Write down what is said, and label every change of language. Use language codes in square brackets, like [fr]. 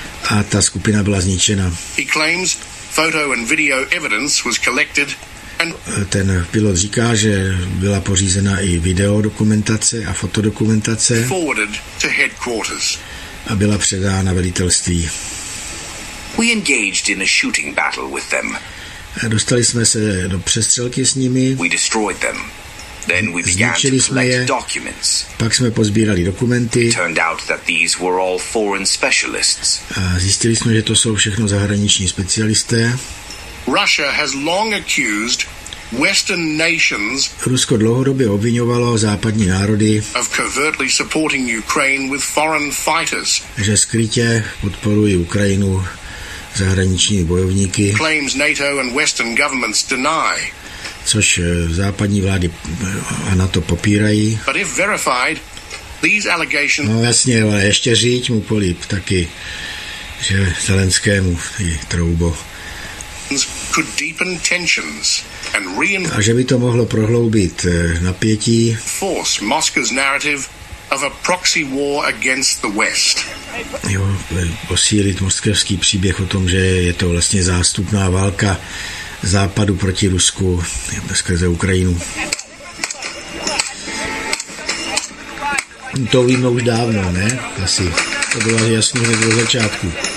[cs] A ta skupina byla zničena. [en] Photo and video evidence was collected [cs] and ten pilot říká, že byla pořízena i video dokumentace a fotodokumentace [en] forwarded to headquarters [cs] a byla předána velitelství. [en] We engaged in a shooting battle with them. [cs] Dostali jsme se do přestřelky s nimi. [en] We destroyed them. Then we began to collect documents. [cs] Pak jsme pozbírali dokumenty. [en] Turned out that these were all foreign specialists. [cs] A zjistili jsme, že to jsou všechno zahraniční specialisté. [en] Russia has long accused Western nations. [cs] Rusko dlouhodobě obviňovalo západní národy [en] of covertly supporting Ukraine with foreign fighters. [cs] Že skrytě podporují Ukrajinu zahraniční bojovníky. [en] Claims NATO and Western governments deny. [cs] Což západní vlády a NATO popírají. [en] But if verified, these allegations. [cs] No jasně, ale ještě říct mu políp taky, že Zelenskému i troubo. [en] Could deepen tensions and [cs] a že by to mohlo prohloubit napětí. [en] Force Moscow's narrative of a proxy war against the West. [cs] Jo, posílit moskevský příběh o tom, že je to vlastně zástupná válka západu proti Rusku skrze Ukrajinu. To víme už dávno, ne? Asi. To bylo jasný hned od začátku.